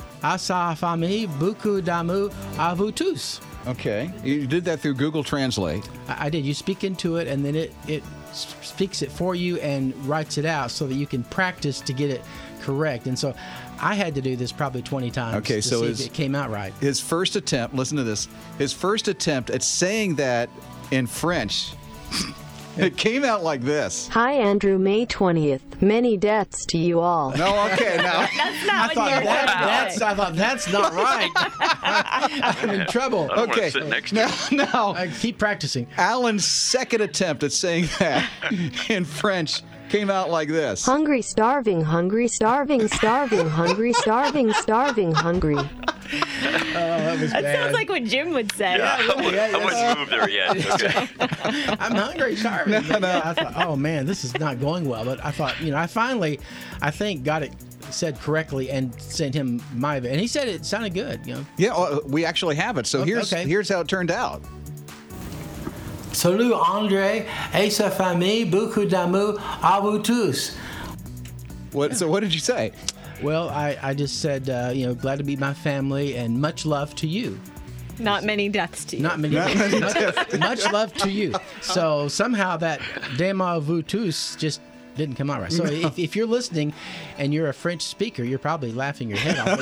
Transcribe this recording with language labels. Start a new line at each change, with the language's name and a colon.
French: À sa famille, beaucoup d'amour à vous tous.
English: Okay. You did that through Google Translate. I did. You speak into it, and then it speaks it for you and writes it out so that you can practice to get it correct. And so I had to do this probably 20 times to see if it came out right. His first attempt, listen to this, his first attempt at saying that in French, it came out like this. Hi, Andrew, May 20th. Many deaths to you all. No, okay, no. I thought that's not right. I'm in trouble. I'm okay. Now, I keep practicing. Alan's second attempt at saying that in French came out like this. Hungry, starving, hungry, starving, starving, hungry, starving, starving, hungry. Oh, that was bad. Sounds like what Jim would say. I wouldn't move there yet. Okay. I'm hungry, starving. I thought, oh man, this is not going well. But I thought, you know, I finally got it said correctly and sent him my, and he said it sounded good, you know. Yeah, we actually have it. So here's how it turned out.
French: Salut, André, et sa famille, beaucoup d'amour à vous tous.
English: What did you say? Well, I just said, glad to be my family and much love to you. Not many deaths to you. Not many deaths. Much love to you. So somehow that
French: d'amour à vous tous
English: just didn't come out right. So if you're listening and you're a French speaker, you're probably laughing your head off.